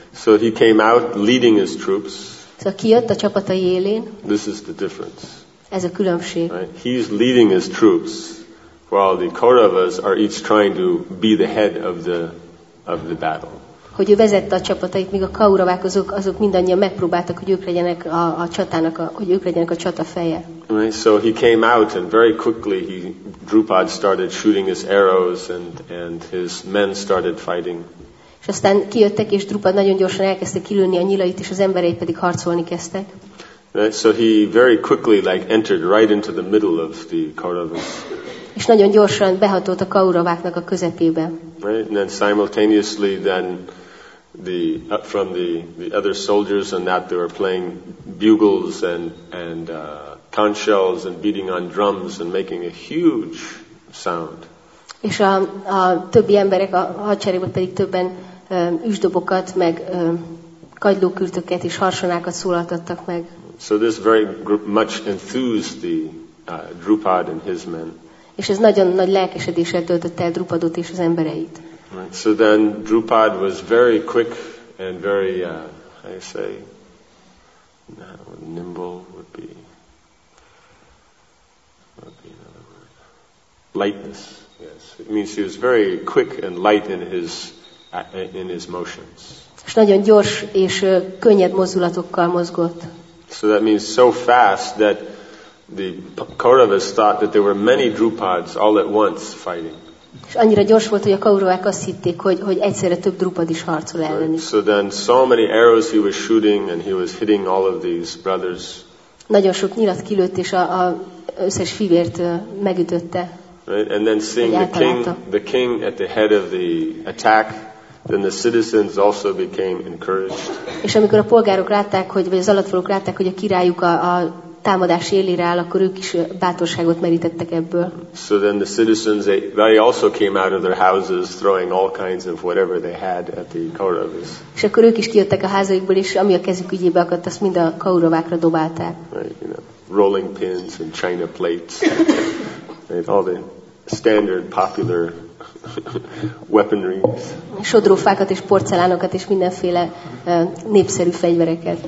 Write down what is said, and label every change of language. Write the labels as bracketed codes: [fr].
[en] So he came out leading his troops. So [hu] kijött a csapatai élén. [en] This is the difference. [hu] Ez a különbség. [en] Right? He's leading his troops, while the Kauravas are each trying to be the head of the battle. [hu] Hogy ő vezette a csapatait, míg a Kauravák azok mindannyian megpróbáltak, hogy ők legyenek a csatának, hogy ők legyenek a csata feje. [en] Right? So he came out, and very quickly Drupad started shooting his arrows, and his men started fighting. [hu] És aztán kijöttek, és Drupad nagyon gyorsan elkezdte kilőni a nyilait, és az embereit pedig harcolni kezdtek. [en] Right, so he very quickly like entered right into the middle of the Kauravas. [hu] És nagyon gyorsan behatolt a Kauraváknak a közepébe. [en] Right, and then simultaneously then the from the other soldiers and that they were playing bugles and conch shells and beating on drums and making a huge sound. [hu] És a többi emberek a hadseregben pedig többen üsdobokat, meg kagylókürtöket és harsonákat szólaltattak meg. [en] So this very much enthused the Drupad and his men. [hu] És ez nagyon nagy lelkesedéssel töltötte el Drupadot és az embereit. [en] Right. So then Drupad was very quick and very, how you say, nimble would be, another word, lightness. Yes, it means he was very quick and light in his motions. [hu] És nagyon gyors és könnyed mozdulatokkal mozgott. [en] So that means so fast that the Kauravas thought that there were many Drupads all at once fighting. [hu] És annyira gyors volt, hogy a Kauravák azt hitték, hogy egyszerre több Drupad is harcol ellenük. [en] So then so many arrows he was shooting and he was hitting all of these brothers. [hu] Nagyon sok nyilat kilőtt, és a összes fivért megütötte. [en] Right? And then seeing the king at the head of the attack, then the citizens also became encouraged. [hu] És amikor a polgárok látták, hogy vagy az alattvalók látták, hogy a királyuk a támadás élére áll, akkor ők is bátorságot merítettek ebből. [en] So then the citizens they also came out of their houses throwing all kinds of whatever they had at the Kauravas. [hu] És akkor ők is kijöttek a házaikból, és ami a kezük ügyébe akadt, azt mind a Kauravákra dobálták. [en] Right, you know, rolling pins and china plates. Right, all the standard popular weaponry. [hu] Sodrófákat és porcelánokat és mindenféle népszerű fegyvereket.